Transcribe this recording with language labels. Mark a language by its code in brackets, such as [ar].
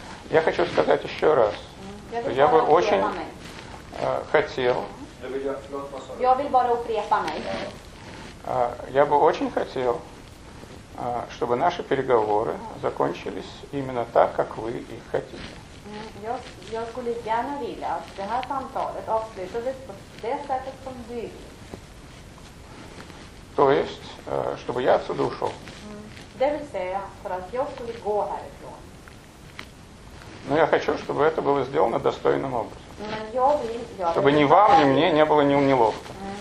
[ru] Я хочу сказать еще раз, что я бы очень... хотел. Я [sv] vill bara upprepa mig. [ru] Я бы очень хотел, чтобы наши переговоры закончились именно так, как вы их хотите. Я [sv] skulle gärna vilja att det här samtalet avslutades på det sättet som du vill. [ru] То есть, чтобы я отсюда ушел. [sv] Det vill säga för att jag skulle gå härifrån. [ru] Но я хочу, чтобы это было сделано достойным образом. Я чтобы ни вам, ни мне не было ни неловко.